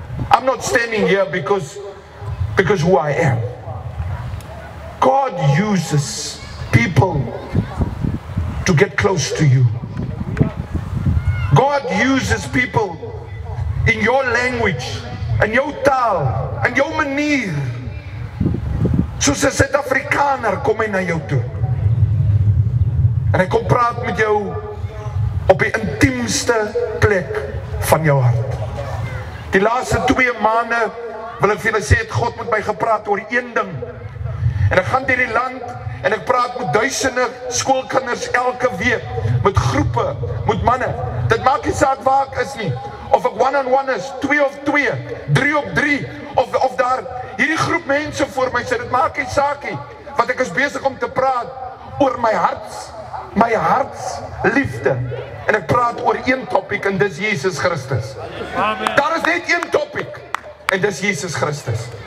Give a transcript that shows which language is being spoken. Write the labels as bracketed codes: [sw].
[en] I'm not standing here because who I am. God uses people to get close to you. God uses people in your language and your [af] taal [en] and your [af] manier. Soos 'n Suid-Afrikaner kom hy na jou toe. En hy kom praat met jou op die intiemste plek van jou hart. Die laaste 2 maande wil ek vir julle sê het God met my gepraat oor een ding. En ek gaan deur die land en ek praat met duisende skoolkinders elke week, met groepe, met manne. Dit maak nie saak waar ek is nie, of ek 1-on-1 is, 2-of-2, 3-op-3, of daar hierdie groep mense voor my sit. Dit maak nie saak nie, want ek is besig om te praat oor my hart's liefde. En ek praat oor een topic en dis Jesus Christus. Amen. Daar is net een topic en dis Jesus Christus.